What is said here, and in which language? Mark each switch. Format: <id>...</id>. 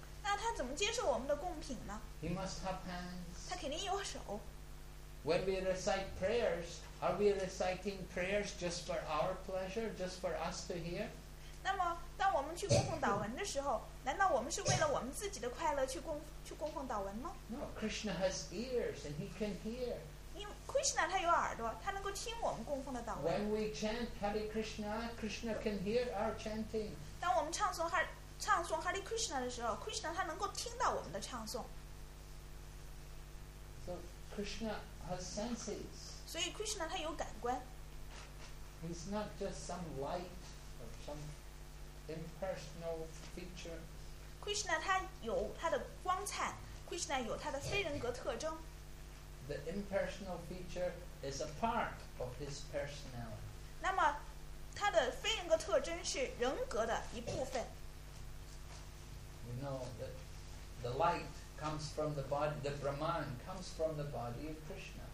<zh>那他怎么接受我们的供品呢？</zh> <en>He must have hands.</en> <zh>他肯定有手。</zh> <en>When we recite prayers, are we reciting prayers just for our pleasure, just for us to hear?</en> <zh>那么，当我们去供奉祷文的时候，难道我们是为了我们自己的快乐去供奉祷文吗？</zh> <en>No, Krishna has ears and he can hear.</en> <zh>因为 Krishna 他有耳朵，他能够听我们供奉的祷文。</zh> <en>When we chant Hare Krishna, Krishna can hear our chanting.</en> <zh>当我们唱诵 Hare Krishna 的时候 ，Krishna 他能够听到我们的唱诵。</zh> <en>So Krishna has senses.</en> <zh>所以 Krishna 他有感官。</zh> <en>He's not just some light or some impersonal feature.</en> <zh>Krishna 他有他的光灿 ，Krishna 有他的非人格特征。</zh> <en>The impersonal feature is a part of his personality.</en> <zh>那么，他的非人格特征是人格的一部分。</zh> <en>You know that the light comes from the body. The Brahman comes from the body of Krishna.</en>